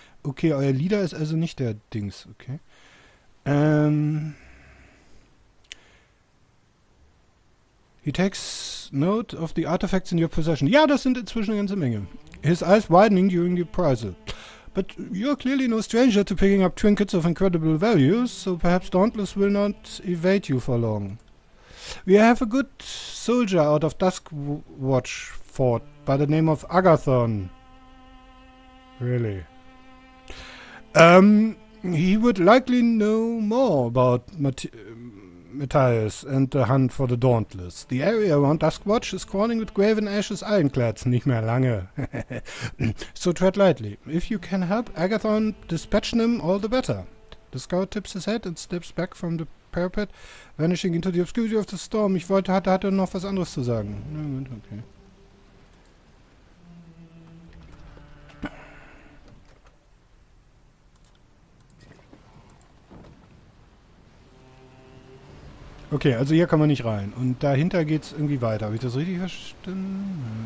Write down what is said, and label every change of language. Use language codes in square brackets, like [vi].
[de] Okay, euer Leader ist also nicht der Dings, okay. [en] He takes note of the artifacts in your possession. [de] Ja, das sind inzwischen eine ganze Menge. [en] His eyes widening during the appraisal. But you're clearly no stranger to picking up trinkets of incredible value, so perhaps Dauntless will not evade you for long. We have a good soldier out of Duskwatch Fort by the name of Agathon. Really? He would likely know more about Matthias and the hunt for the Dauntless. The area around Duskwatch is crawling with graven ashes ironclads. [de] Nicht mehr lange. [en] So tread lightly. If you can help Agathon dispatch them, all the better. The scout tips his head and steps back from the parapet, vanishing into the obscurity of the storm. [de] Ich wollte, hatte noch was anderes zu sagen. Moment, okay. Okay, also hier kann man nicht rein. Und dahinter geht es irgendwie weiter. Habe ich das richtig verstanden?